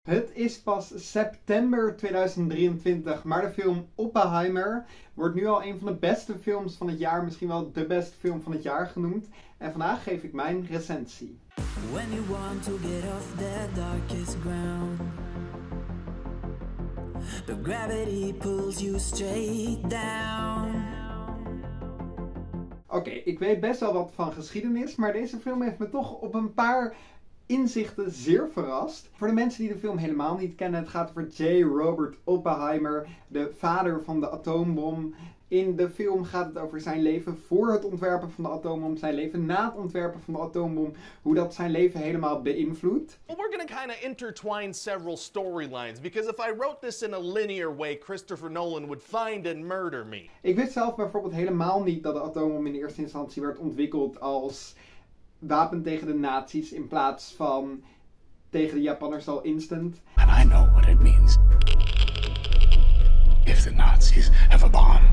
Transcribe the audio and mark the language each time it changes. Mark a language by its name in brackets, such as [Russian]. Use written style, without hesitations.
[Dutch] Het is pas september 2023, maar de film Oppenheimer wordt nu al een van de beste films van het jaar, misschien wel de beste film van het jaar genoemd. En vandaag geef ik mijn recensie. [English] When you want to get off the darkest ground, the gravity pulls you straight down. [Dutch] Oké, ik weet best wel wat van geschiedenis, maar deze film heeft me toch op een paar inzichten zeer verrast. Voor de mensen die de film helemaal niet kennen, het gaat over J. Robert Oppenheimer, de vader van de atoombom. In de film gaat het over zijn leven voor het ontwerpen van de atoombom, zijn leven na het ontwerpen van de atoombom, hoe dat zijn leven helemaal beïnvloedt. [English] Well, we're gonna kind of intertwine several storylines, because if I wrote this in a linear way, Christopher Nolan would find and murder me. [Dutch] Ik wist zelf bijvoorbeeld helemaal niet dat de atoombom in eerste instantie werd ontwikkeld als wapen tegen de nazi's in plaats van tegen de Japanners al instant. [English] And I know what it means. If the nazi's have a bomb.